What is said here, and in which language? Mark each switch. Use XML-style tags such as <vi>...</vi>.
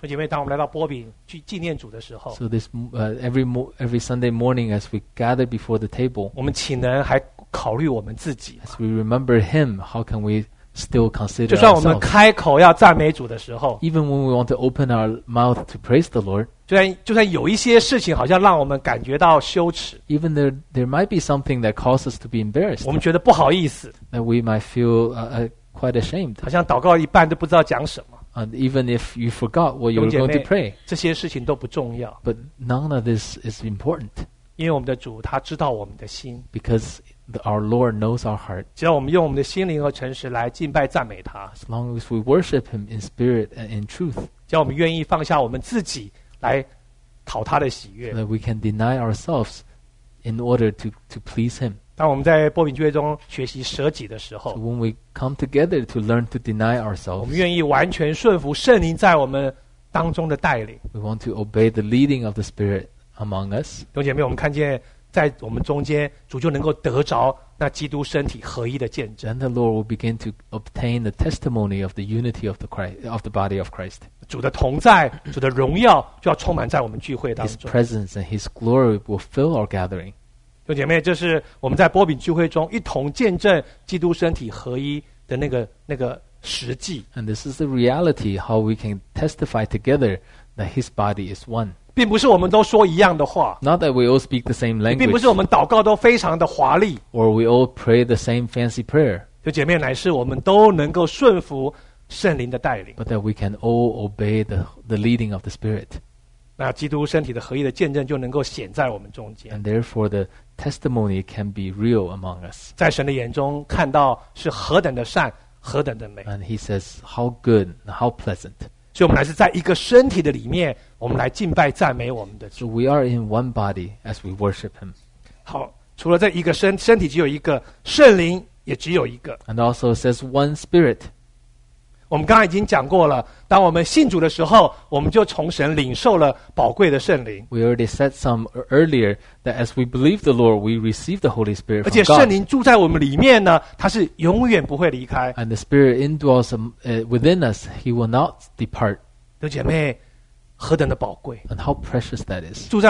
<zh>而且因为当我们来到波饼, 去纪念主的时候,</zh> <en>so this, every Sunday morning as we gather before the table,</en> <zh>我们岂能还 考虑我们自己,</zh> <en>as we remember him, how can we still consider ourselves?</en> <zh>就算我们开口要赞美主的时候,</zh> <en>even when we want to open our mouth to praise the Lord,</en> <zh>就算有一些事情好像让我们感觉到羞耻,</zh> <en>even there might be something that causes us to be embarrassed,</en> <zh>我们觉得不好意思,</zh> <en>that we might feel quite ashamed,</en> <zh>好像祷告一半都不知道讲什么,</zh> <en>and even if you forgot what you were going to pray,</en> <zh>这些事情都不重要,</zh> <en>but none of this is important,</en> <zh>因为我们的主他知道我们的心,</zh> <en>because our Lord knows our heart.</en> <zh>只要我们用我们的心灵和诚实来敬拜赞美他,</zh> <en>as long as we worship him in spirit and in truth,</en> <zh>只要我们愿意放下我们自己来讨他的喜悦,</zh> <en>so that we can deny ourselves in order to please him.</en> <zh>当我们在波饼聚会中学习舍己的时候,</zh> <en>so when we come together to learn to deny ourselves,</en> <zh>我们愿意完全顺服圣灵在我们当中的带领,</zh> <en>we want to obey the leading of the Spirit among us.</en> <zh>弟兄姐妹，我们看见 在我们中间, 主就能够得着那基督身体合一的见证,</zh> <en>and the Lord will begin to obtain the testimony of the unity of the Christ, of the body of Christ.</en> <zh>主的同在, 主的荣耀就要充满在我们聚会当中,</zh> <en>His presence and His glory will fill our gathering.</en> <zh>弟兄姐妹, 这是我们在波饼聚会中一同见证基督身体合一的那个实际,</zh> <en>and this is the reality how we can testify together that His body is one.</en> <zh>并不是我们都说一样的话,</zh> <en>not that we all speak the same language,</en> <zh>并不是我们祷告都非常的华丽,</zh> <en>or we all pray the same fancy prayer,</en> <zh>就姐妹乃是我们都能够顺服圣灵的带领,</zh> <en>but that we can all obey the leading of the Spirit,</en> <zh>那基督身体的合一的见证就能够显在我们中间,</zh> <en>and therefore the testimony can be real among us,</en> <zh>在神的眼中看到是何等的善, 何等的美,</zh> <en>and he says how good, how pleasant.</en> <zh>所以我们乃是在一个身体的里面, 我们来敬拜赞美我们的主。</zh> <en>So we are in one body as we worship him.</en> <zh>好, 除了这一个身, 身体只有一个, 圣灵 也只有一个。</zh> <en>And also it says one spirit.</en> <zh>我们刚刚已经讲过了, 当我们信主的时候, 我们就从神领受了宝贵的圣灵。</zh> <en>We already said some earlier that as we believe the Lord, we receive the Holy Spirit from God.</en> <zh>而且圣灵住在我们里面呢, 祂是永远不会离开。</zh> <en>And the Spirit indwells within us, he will not depart.</en> <zh>弟兄姐妹, 何等的宝贵,</zh> <en>and how precious that is.</en>